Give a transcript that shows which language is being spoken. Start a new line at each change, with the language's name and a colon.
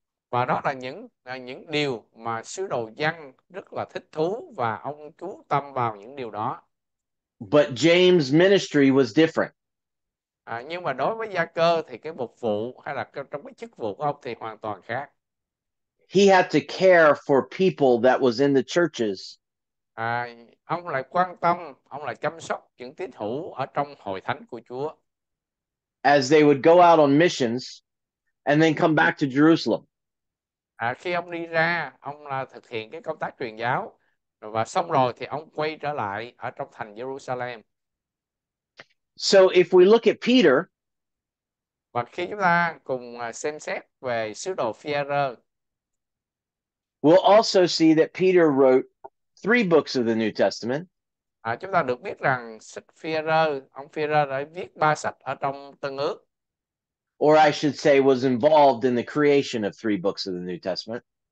Vietnamese: Và đó là những điều mà sứ đồ Giăng rất là thích thú và ông chú tâm vào những điều đó.
English: But James' ministry was different.
Vietnamese: Nhưng mà đối với Gia Cơ thì cái mục vụ hay là trong cái chức vụ của ông thì hoàn toàn khác.
English: He had to care for people that was in the churches.
Vietnamese: Ông lại quan tâm, ông lại chăm sóc những tín hữu ở trong hội thánh của Chúa.
English: As they would go out on missions and then come back to Jerusalem.
Vietnamese: Khi ông đi ra, ông là thực hiện cái công tác truyền giáo và xong rồi thì ông quay trở lại ở trong thành Jerusalem.
English: So if we look at Peter,
Vietnamese: Và khi chúng ta cùng xem xét về sứ đồ Phi-e-rơ,
English: we'll also see that Peter wrote three books of the New Testament.
Vietnamese: À, chúng ta được biết rằng sách Führer, ông Führer đã viết ba sách ở trong Tân Ước.
English: Or I should say was involved in the creation of three books of the New Testament.